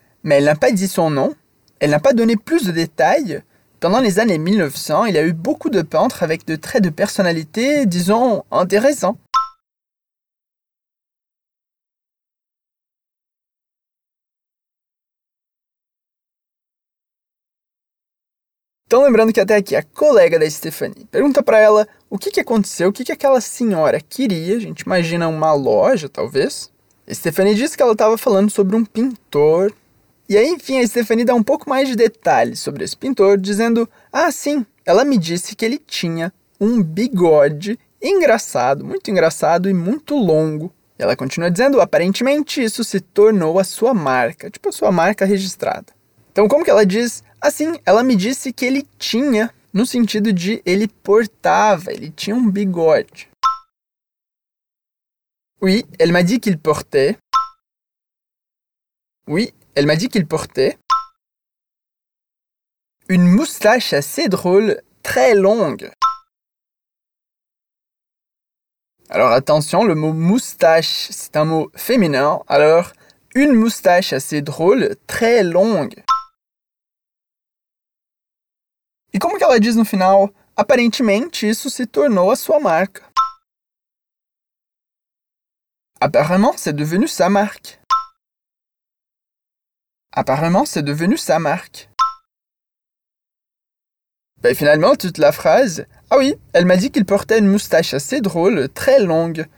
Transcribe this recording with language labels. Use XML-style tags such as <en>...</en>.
<pt>Mas ela não disse seu nome, ela não deu mais de detalhes.</pt> <fr>Pendant les années 1900, il y a eu beaucoup de peintres avec de traits de personnalité, disons, intéressants.</fr> <pt>Então lembrando que até aqui a colega da Stephanie pergunta para ela o que aconteceu, o que aquela senhora queria. A gente imagina uma loja, talvez. Stephanie disse que ela estava falando sobre um pintor. E aí, enfim, a Stephanie dá um pouco mais de detalhes sobre esse pintor, dizendo, ah, sim, ela me disse que ele tinha um bigode engraçado e muito longo. E ela continua dizendo, aparentemente, isso se tornou a sua marca, tipo, a sua marca registrada. Então, como que ela diz? Assim, ela me disse que ele tinha, no sentido de ele portava, ele tinha um bigode.</pt> <fr>Oui, elle m'a dit qu'il portait. Oui, elle m'a dit qu'il portait. Une moustache assez drôle, très longue. Alors attention, le mot moustache, c'est un mot féminin. Alors, une moustache assez drôle, très longue. E como que ela diz no final? Aparentemente, isso se tornou a sua marca. Apparemment, c'est devenu sa marque. Apparemment, c'est devenu sa marque. Ben finalement, toute la phrase. Ah oui, elle m'a dit qu'il portait une moustache assez drôle, très longue.</fr>